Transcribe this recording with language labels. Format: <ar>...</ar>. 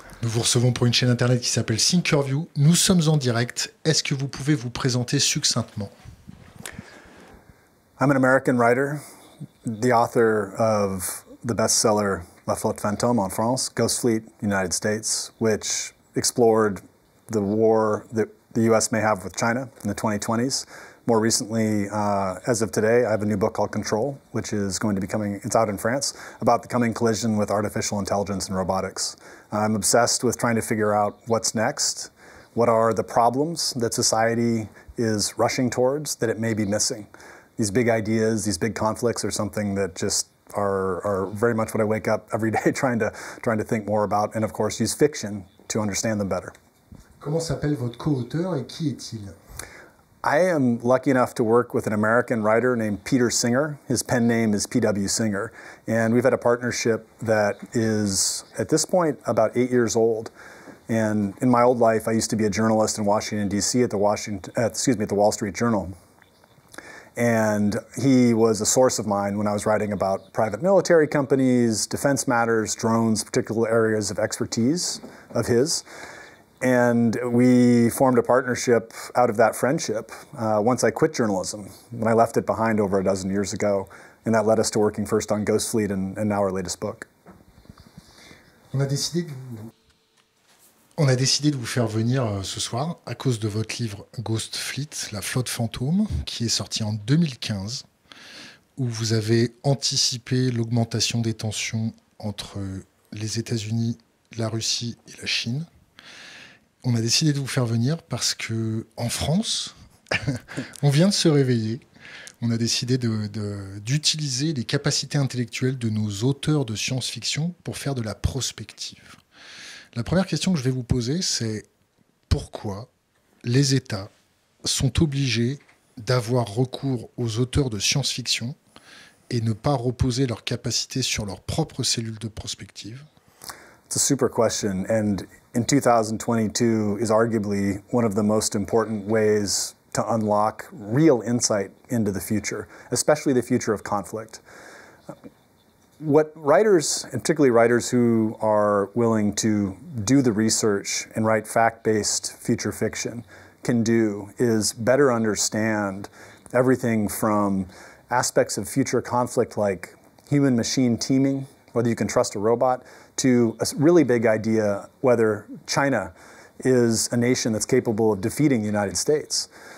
<fr>Nous vous recevons pour une chaîne internet qui s'appelle Thinkerview. Nous sommes en direct. Est-ce que vous pouvez vous présenter succinctement?</fr> <en>I'm an American writer, the author of the best-seller La Flotte Fantôme en France, Ghost Fleet, United States, which explored the war that the US may have with China in the 2020s. More recently, as of today, I have a new book called Control, which is going to be coming, it's out in France, about the coming collision with artificial intelligence and robotics. I'm obsessed with trying to figure out what's next, what are the problems that society is rushing towards that it may be missing. These big ideas, these big conflicts are something that just are very much what I wake up every day trying to think more about, and of course use fiction to understand them better.</en> <fr>Comment s'appelle votre co-auteur et qui est-il?</fr> <en>I am lucky enough to work with an American writer named Peter Singer. His pen name is P.W. Singer. And we've had a partnership that is, at this point, about 8 years old. And in my old life, I used to be a journalist in Washington, D.C. at the Wall Street Journal. And he was a source of mine when I was writing about private military companies, defense matters, drones, particular areas of expertise of his. And we formed a partnership out of that friendship once I quit journalism, when I left it behind over a dozen years ago. And that led us to working first on Ghost Fleet and now our latest book.</en> <fr>On a décidé de vous faire venir ce soir à cause de votre livre Ghost Fleet, La Flotte Fantôme, qui est sorti en 2015, où vous avez anticipé l'augmentation des tensions entre les États-Unis, la Russie et la Chine. On a décidé de vous faire venir parce que en France, on vient de se réveiller. On a décidé d'utiliser les capacités intellectuelles de nos auteurs de science-fiction pour faire de la prospective. La première question que je vais vous poser, c'est pourquoi les États sont obligés d'avoir recours aux auteurs de science-fiction et ne pas reposer leurs capacités sur leurs propres cellules de prospective?</fr> <en>It's a super question, and in 2022 is arguably one of the most important ways to unlock real insight into the future, especially the future of conflict. What writers, and particularly writers who are willing to do the research and write fact-based future fiction, can do is better understand everything from aspects of future conflict like human-machine teaming, whether you can trust a robot, to a really big idea whether China is a nation that's capable of defeating the United States.</en>